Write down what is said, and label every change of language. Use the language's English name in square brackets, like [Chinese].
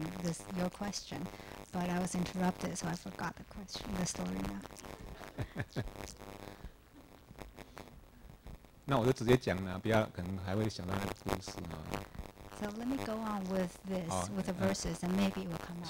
[English] This your question, but I was interrupted, so I forgot the question. The story now. [Chinese] 那我就直接讲了，不要可能还会想到那个故事啊。 [English] So let me go on with this,、哦、with the verses,、and maybe it will come out.